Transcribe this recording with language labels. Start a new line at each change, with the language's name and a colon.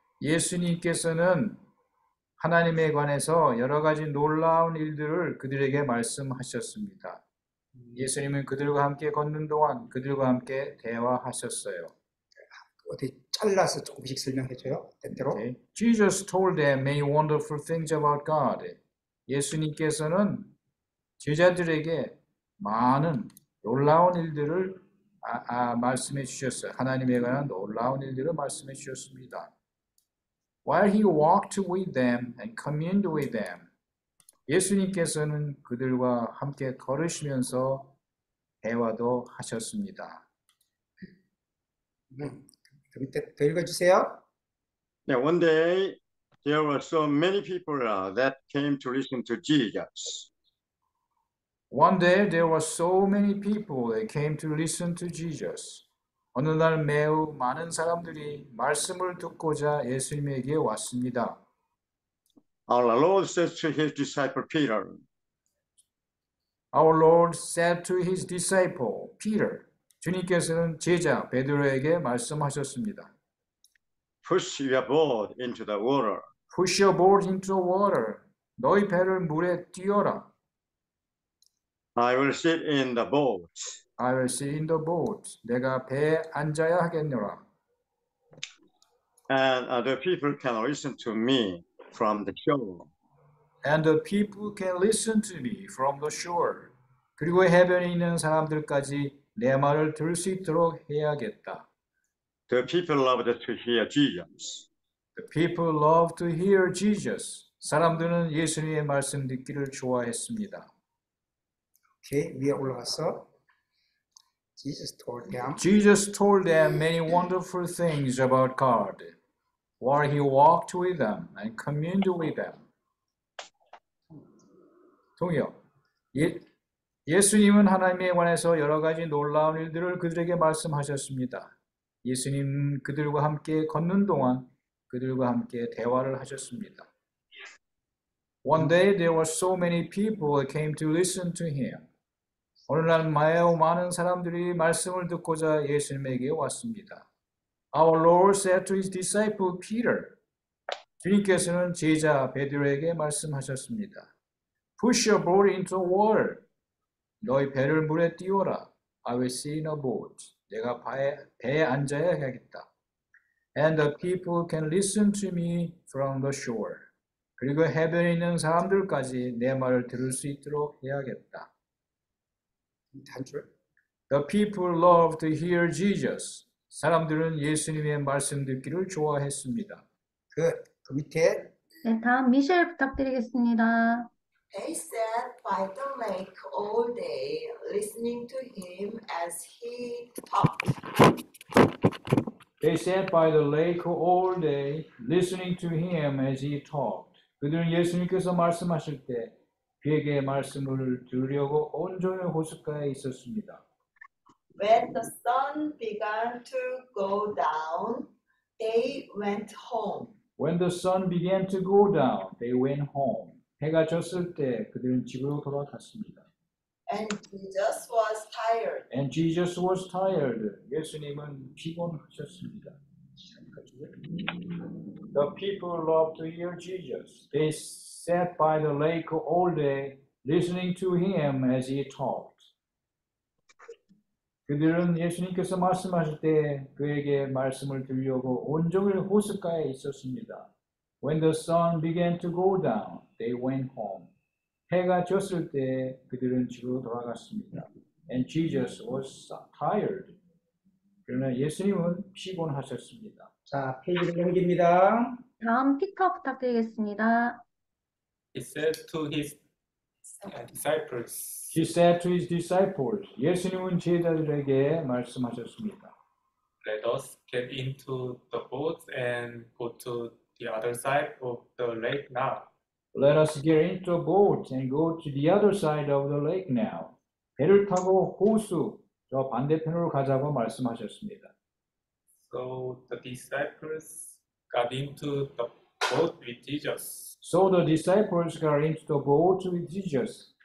Korean: 예수님께서는 하나님에 관해서 여러 가지 놀라운 일들을 그들에게 말씀하셨습니다. 예수님은 그들과 함께 걷는 동안 그들과 함께 대화하셨어요. 어디 잘라서 조금씩 설명해줘요. 때때로.
English: Okay. Jesus told them many wonderful things about God.
Korean: 예수님께서는 제자들에게 많은 놀라운 일들을 말씀해 주셨어요. 하나님에 관한 놀라운 일들을 말씀해 주셨습니다.
English: While he walked with them and communed with them,
Korean: 예수님께서는 그들과 함께 걸으시면서 대화도 하셨습니다. 밑에 더 읽어주세요.
English: Now, one day, there were so many people that came to listen to Jesus. One day, there were so many people that came to listen to Jesus.
Korean: 어느 날 매우 많은 사람들이 말씀을 듣고자 예수님에게 왔습니다.
English: Our Lord says to his disciple Peter, Our Lord said to his disciple Peter.
Korean: 주님께서는 제자 베드로에게 말씀하셨습니다.
English: Push your boat into the water. Push your boat into the water.
Korean: 너희 배를 물에 띄어라.
English: I will sit in the boat. I will sit in the boat.
Korean: 내가 배에 앉아야 하겠노라.
English: And the people can listen to me from the shore. And the people can listen to me from the shore.
Korean: 그리고 해변에 있는 사람들까지 내 말을 들을 수 있도록 해야겠다.
English: The people love to hear Jesus. The people love to hear Jesus.
Korean: 사람들은 예수님의 말씀 듣기를 좋아했습니다.
English: Okay,
Korean: 위에 올라가서
English: Jesus told them. Jesus told them many wonderful things about God while he walked with them and communed with them.
Korean: 동역. 예수님은 하나님에 관해서 여러 가지 놀라운 일들을 그들에게 말씀하셨습니다. 예수님 그들과 함께 걷는 동안 그들과 함께 대화를 하셨습니다.
English: One day there were so many people came to listen to him.
Korean: 어느 날 많은 사람들이 말씀을 듣고자 예수님에게 왔습니다.
English: Our Lord said to his disciple Peter.
Korean: 주님께서는 제자 베드로에게 말씀하셨습니다.
English: Push your boat into water.
Korean: 너희 배를 물에 띄워라.
English: I will sit in a boat.
Korean: 내가 배에 앉아야 하겠다.
English: And the people can listen to me from the shore.
Korean: 그리고 해변에 있는 사람들까지 내 말을 들을 수 있도록 해야겠다.
English: The people love to hear Jesus.
Korean: 사람들은 예수님의 말씀 듣기를 좋아했습니다. 그 밑에. 네, 다음 미셸 부탁드리겠습니다.
English: They sat by the lake all day, listening to him as he talked. They sat by the lake all day, listening to him as he talked.
Korean: 그들은 예수님께서 말씀하실 때 그에게 말씀을 들으려고 온종일 호숫가에 있었습니다.
English: When the sun began to go down, they went home. When the sun began to go down, they went home.
Korean: 해가 졌을 때 그들은 집으로 돌아갔습니다.
English: And Jesus was tired. And Jesus was tired.
Korean: 예수님은 피곤하셨습니다.
English: The people loved to hear Jesus. They sat by the lake all day, listening to him as he talked.
Korean: 그들은 예수님께서 말씀하실 때 그에게 말씀을 들으려고 온종일 호숫가에 있었습니다.
English: When the sun began to go down, they went home.
Korean: 해가 졌을 때 그들은 집으로 돌아갔습니다.
English: And Jesus was tired.
Korean: 그러나 예수님은 피곤하셨습니다. 자, 페이지를 넘깁니다. 다음 피터 부탁드리겠습니다.
English: He said to his disciples. He said to his disciples.
Korean: 예수님은 제자들에게 말씀하셨습니다.
English: Let us get into the boat and go to the other side of the lake now. Let us get into a boat and go to the other side of the lake now.
Korean: 배를 타고 호수 저 반대편으로 가자고 말씀하셨습니다.
English: So the disciples got into the boat with Jesus. So the disciples got into the boat with Jesus.